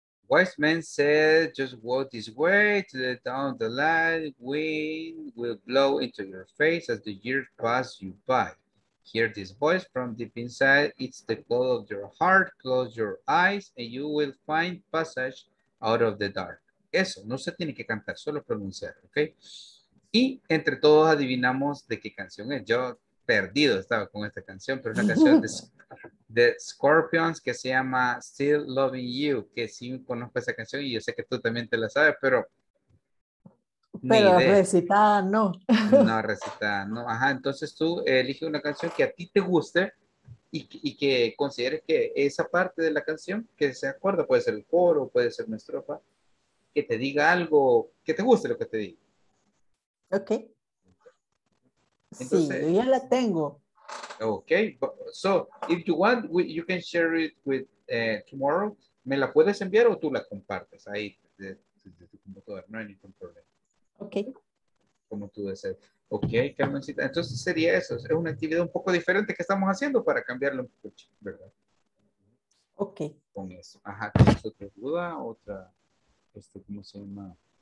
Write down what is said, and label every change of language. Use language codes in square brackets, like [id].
[en] Wise man said, just walk this way to the town of the light. Wind will blow into your face as the years pass you by. Hear this voice from deep inside. It's the call of your heart. Close your eyes and you will find passage out of the dark. [es] Eso, no se tiene que cantar, solo pronunciar, ¿ok? Y entre todos adivinamos de qué canción es. Yo perdido estaba con esta canción, pero es la canción de... The Scorpions, que se llama Still Loving You, que sí conozco esa canción y yo sé que tú también te la sabes, pero recitada no. No, recitada no. Ajá, entonces tú elige una canción que a ti te guste y que consideres que esa parte de la canción, que se acuerda, puede ser el coro, puede ser una estrofa, que te diga algo, que te guste lo que te diga. Ok. Entonces, sí, yo ya la tengo. [en] Okay, so if you want, you can share it with tomorrow. [es] ¿Me la puedes enviar o tú la compartes ahí de tu computador? No hay ningún problema. [en] Okay. [es] Como tú deseas. Okay, Carmencita. Entonces sería eso. Es una actividad un poco diferente que estamos haciendo para cambiarlo un poco, ¿verdad? [en] Okay. [es] Con eso. Ajá. ¿Tienes otra duda? ¿Otra? ¿Cómo se llama?